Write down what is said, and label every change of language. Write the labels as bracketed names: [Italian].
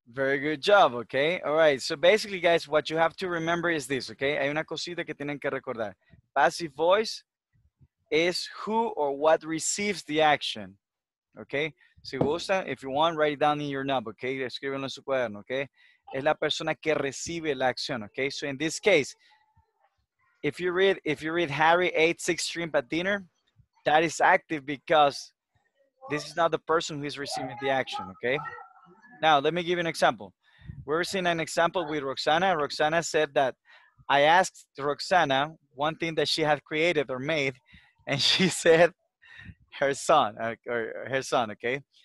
[English] Very good job, okay? All right, so basically, guys, what you have to remember is this, okay? [Spanish] Hay una cosita que tienen que recordar. [English] Passive voice is who or what receives the action, okay? [Spanish] Si gusta, [English] if you want, write it down in your notebook, okay? [Spanish] Escríbelo en su cuaderno, okay? Es la persona que recibe la acción, okay? [English] So in this case, if you read Harry ate 6 shrimp at dinner, that is active because this is not the person who is receiving the action, okay? Now, let me give you an example. We're seeing an example with Roxana. Roxana said that I asked Roxana one thing that she had created or made, and she said her son, or her son, okay?